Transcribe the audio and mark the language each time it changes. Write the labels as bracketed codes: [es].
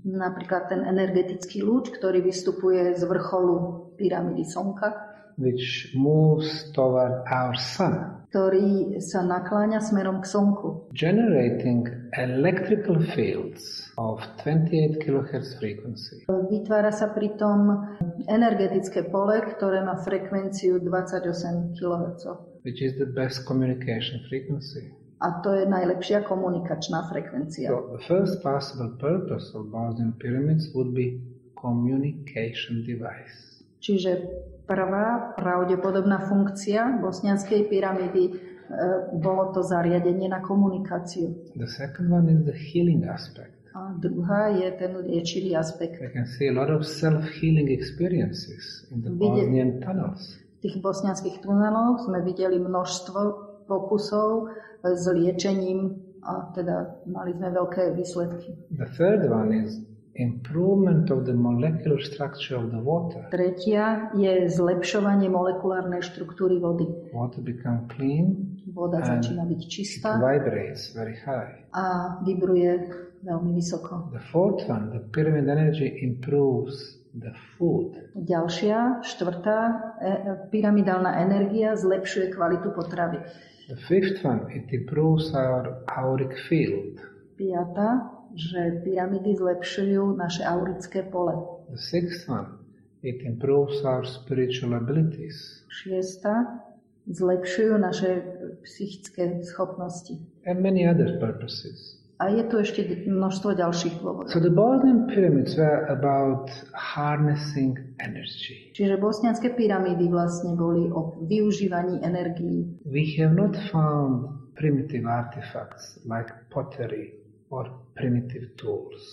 [sk] Napríklad ten energetický lúč, ktorý vystupuje z vrcholu pyramidy slnka, [en] which moves toward our sun. [sk] Ktorý sa nakláňa smerom k slnku. [en] Generating electrical fields of 28 kHz frequency. [sk] Vytvára sa pritom energetické pole, ktoré má frekvenciu 28 kHz. [en] Which is the best communication frequency. [sk] A to je najlepšia komunikačná frekvencia. [en] So the first possible purpose of Bosnian pyramids would be communication device. [sk] Čiže prvá pravdepodobná funkcia bosnianskej pyramidy bolo to zariadenie na komunikáciu. [en] The second one is the healing aspect. [sk] A druhá je ten liečivý aspekt. [en] We can see a lot of self-healing experiences in the Bosnian tunnels. [sk] V tých bosnianskych tuneloch sme videli množstvo pokusov s liečením a teda mali sme veľké výsledky. [en] The third one is improvement of the molecular structure of the water. [sk] Tretia je zlepšovanie molekulárnej štruktúry vody. [en] Water become clean. [sk] Voda začína byť čistá. [en] It vibrates very high. [sk] A vibruje veľmi vysoko. [en] The fourth one, the pyramid energy improves the food. [sk] Ďalšia, štvrtá, pyramidálna energia zlepšuje kvalitu potravy. [en] The fifth one, it improves our auric field. [sk] Piata, že pyramidy zlepšujú naše aurické pole. [en] The sixth one, it improves our spiritual abilities. [sk] Šiesta, zlepšujú naše psychické schopnosti. [en] And many other purposes. [sk] A je tu ešte množstvo ďalších dôvodov. [en] So the Bosnian pyramids were about harnessing energy. [sk] Čiže bosnianske pyramidy vlastne boli o využívaní energie. [en] We have not found primitive artifacts like pottery or primitive tools.